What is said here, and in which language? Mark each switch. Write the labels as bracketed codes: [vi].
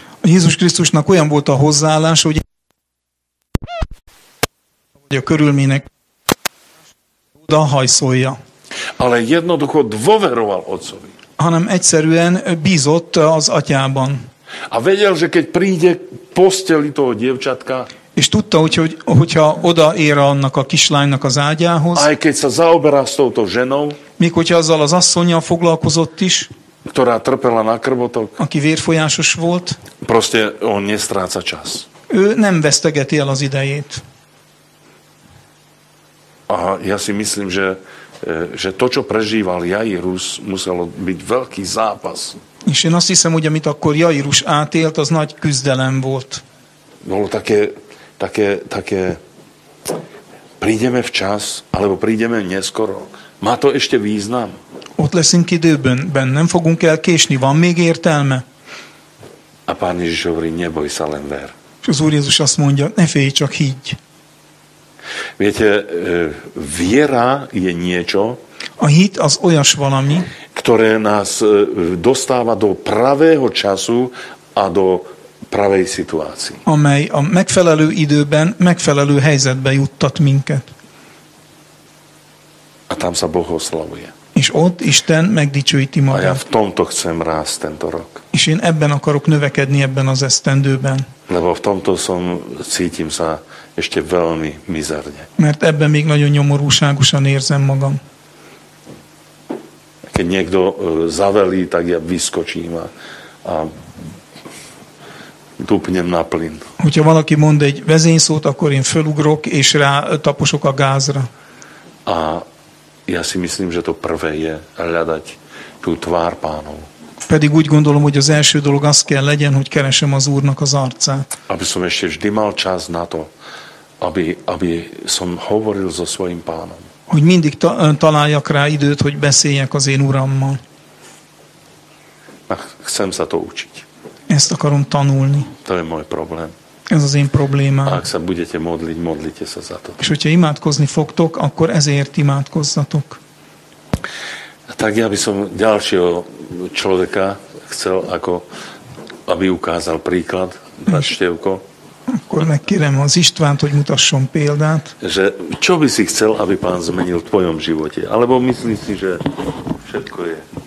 [hu] Jézus Krisztusnak olyan volt a hozzáállása, hogy a körülmények odahajszolja. [sk] Ale jednoducho dôveroval otcovi. [hu] Hanem egyszerűen bízott az atyában. [sk] A vedel, že keď príde posteli toho dievčatka, [hu] és tudta, hogyha odaér annak a kislánynak az ágyához, [sk] aj keď sa zaoberá s touto ženou, [hu] míg hogyha azzal az asszonnyal foglalkozott is, [sk] ktorá trpela na krvotok, [hu] aki vérfolyásos volt, [sk] proste on nestráca čas. [hu] Ő nem vesztegeti el az idejét. [sk] A ja si myslím, že to, čo prežíval Jairus, muselo byť veľký zápas. [hu] És én azt hiszem, hogy amit akkor Jairus átélt, az nagy küzdelem volt. [sk] Bolo také, prídeme včas, alebo prídeme neskoro. Má to ešte význam? [hu] Ott leszünk időben, nem fogunk elkésni, van még értelme? [sk] A Pán Ježiš hovorí, neboj sa, len ver. [hu] És az Úr Jézus azt mondja, ne félj, csak higgy. [sk] Viete, viera je niečo, [hu] a hit az olyas valami, [sk] ktoré nás dostáva do pravého času a do pravej situácii. [hu] Amely a megfelelő időben, megfelelő helyzetbe juttat minket. [sk] A tam sa Boh oslavuje. [hu] És ott Isten megdicsőíti magát. [sk] A ja v tomto chcem rásť tento rok. [hu] És én ebben akarok növekedni ebben az esztendőben. [sk] Lebo v tomto som, cítim sa ešte veľmi mizerne. [hu] Mert ebben még nagyon nyomorúságosan érzem magam. [sk] Keď niekto zavelí, tak ja vyskočím a dupnem na plyn. [hu] Hogyha valaki mond egy vezényszót, akkor én fölugrok és rá taposok a gázra. [sk] A ja si myslím, že to prvé je hľadať tú tvár Pánov. [hu] Pedig úgy gondolom, hogy az első dolog az kell legyen, hogy keresem az Úrnak az arcát. [sk] Aby som ešte vždy mal čas na to, aby som hovoril so svojím Pánom. [hu] Hogy mindig találjak rá időt, hogy beszéljek az én Urammal. [sk] Na, chcem sa to učiť. [hu] Ezt akarom tanulni. [sk] To je môj problém. [hu] Ez az én problémám. [sk] A ak sa budete modliť, modlite sa za to. [hu] És hogyha imádkozni fogtok, akkor ezért imádkozzatok. [sk] Tak ja by som ďalšieho človeka chcel, ako aby ukázal príklad, brat Števko. [hu] Akkor megkérem az Istvánt, hogy mutasson példát. [sk] Že čo by si chcel, aby Pán zmenil v tvojom živote? Alebo myslíš si, že všetko je?